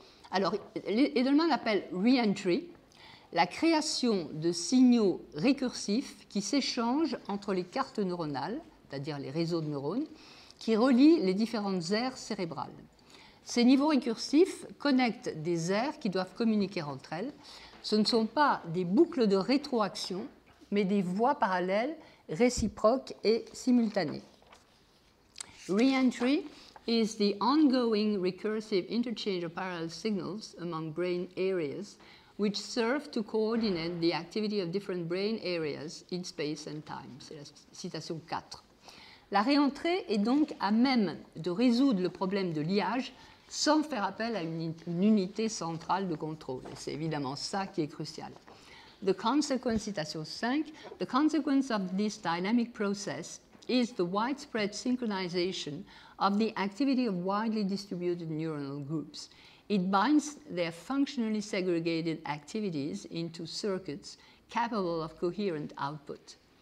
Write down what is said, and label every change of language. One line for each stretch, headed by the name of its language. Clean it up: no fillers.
French: Alors, Edelman appelle re-entry la création de signaux récursifs qui s'échangent entre les cartes neuronales, c'est-à-dire les réseaux de neurones, qui relient les différentes aires cérébrales. Ces niveaux récursifs connectent des aires qui doivent communiquer entre elles. Ce ne sont pas des boucles de rétroaction, mais des voies parallèles, réciproques et simultanées.
English: Re-entry is the ongoing recursive interchange of parallel signals among brain areas, which serve to coordinate the activity of different brain areas in space and time.
French: C'est la citation 4. La réentrée est donc à même de résoudre le problème de liage sans faire appel à une unité centrale de contrôle. Et c'est évidemment ça qui est crucial.
English: The consequence, citation 5, the consequence of this dynamic process is the widespread synchronization of the activity of widely distributed neuronal groups. It binds their functionally segregated activities into circuits capable of coherent output.